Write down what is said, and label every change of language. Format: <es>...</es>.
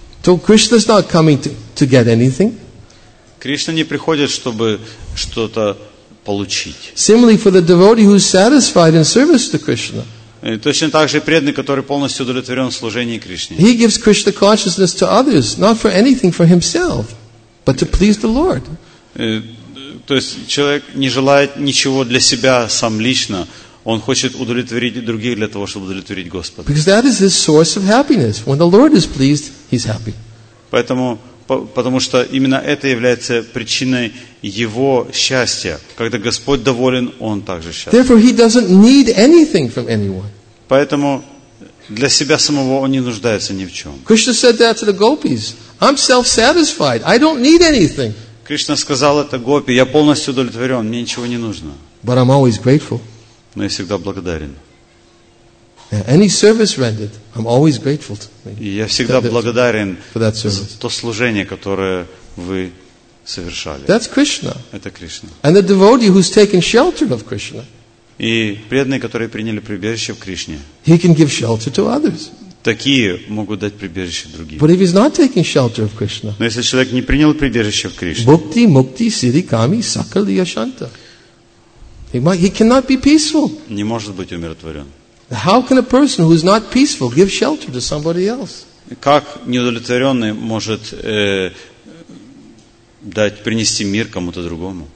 <en>So Krishna is not coming to get anything.</en> <ru>Кришна не приходит, чтобы что-то получить.</ru> <en>Similarly, for the devotee who is satisfied in service to Krishna.</en> <ru>Точно так же преданный, который полностью удовлетворен в служении Кришне.</ru> <en>He gives Krishna consciousness to others, not for anything for himself, but to please the Lord.</en> <ru>То есть человек не желает ничего для себя сам лично, он хочет удовлетворить других для того, чтобы удовлетворить Господа.</ru> <en>Because that is his source of happiness. When the Lord is pleased, he's happy.</en> <ru>Потому что именно это является причиной его счастья. Когда Господь доволен, он также счастлив.</ru> <en>Therefore, he doesn't need anything from anyone.</en> <ru>Поэтому для себя самого он не нуждается ни в чем.</ru> <en>Krishna said that to the gopis. I'm self-satisfied. I don't need anything.</en> <ru>Кришна сказал это гопи. Я полностью удовлетворен. Мне ничего не нужно.</ru> <en>But I'm always grateful.</en> <ru>Но я всегда благодарен.</ru> <en>Any service rendered, I'm always grateful to you.</en> <ru>Я всегда благодарен за то служение, которое вы совершали.</ru> <en>That's Krishna.</en> <ru>Это Кришна.</ru> <en>And the devotee who's taken shelter of Krishna.</en> <ru>И преданные, которые приняли прибежище в Кришне.</ru> <en>He can give shelter to others.</en> <ru>Такие могут дать прибежище другим.</ru> <en>But if he's not taking shelter of Krishna.</en> <ru>Но если человек не принял прибежище в Кришне.</ru> <sa>Bhukti, mukti, siddhi, kami, sakali, ashanta.</sa> <en>He cannot be peaceful.</en> <ru>Не может быть умиротворен.</ru> <en>How can a person who is not peaceful give shelter to somebody else?</en> <ru>Как неудовлетворенный может дать принести мир кому-то другому?</ru>